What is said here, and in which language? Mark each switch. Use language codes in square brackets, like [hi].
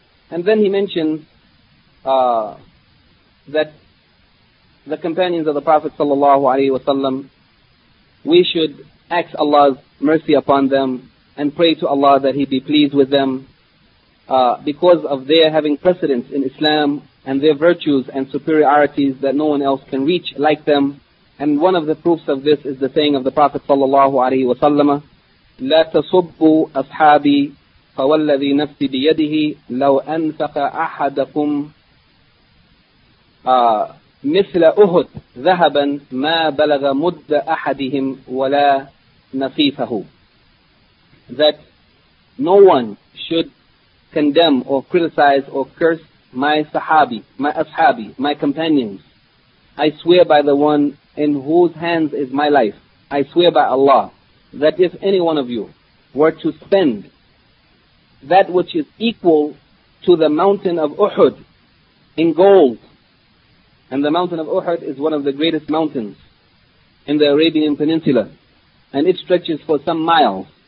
[en] And then he mentions that the companions of the Prophet sallallahu alayhi wa sallam, we should ask Allah's mercy upon them and pray to Allah that He be pleased with them because of their having precedence in Islam and their virtues and superiorities that no one else can reach like them. And one of the proofs of this is the saying of the Prophet sallallahu alaihi wasallam, [ar] لا تصبوا أصحابي فوالذي نفسي بيده لو أنفق أحدكم مثل أهد ذهبا ما بلغ مد أحدهم ولا نصيفه. [en] That no one should condemn or criticize or curse my sahabi, my ashabi, my companions. I swear by the one in whose hands is my life. I swear by Allah that if any one of you were to spend that which is equal to the mountain of Uhud in gold, and the mountain of Uhud is one of the greatest mountains in the Arabian Peninsula, and it stretches for some miles.